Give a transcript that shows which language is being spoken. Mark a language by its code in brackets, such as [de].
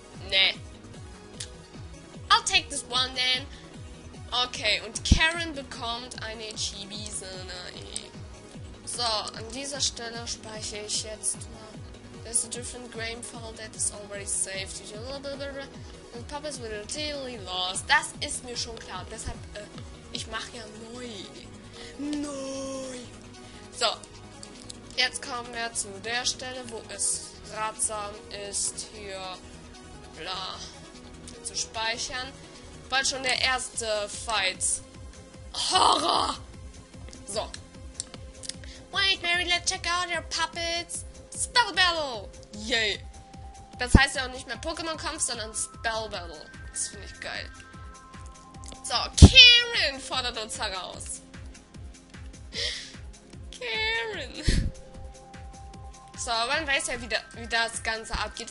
[en] Nee. I'll take this one then. [de] Okay, und Karen bekommt eine Chibi-Sanae. So, an dieser Stelle speichere ich jetzt mal. There's a different game file that is already saved. And Puppets will totally lost. Das ist mir schon klar. Deshalb, ich mache ja neu. Neu. So, jetzt kommen wir zu der Stelle, wo es ratsam ist, hier bla zu speichern. Weil schon der erste Fight. Horror! So. [en] Wait, Mary, let's check out your puppets. Spell Battle! Yay! [de] Das heißt ja auch nicht mehr Pokémon-Kampf, sondern Spell Battle. Das finde ich geil. So, Karen fordert uns heraus. Karen. So, man weiß ja, wie das Ganze abgeht.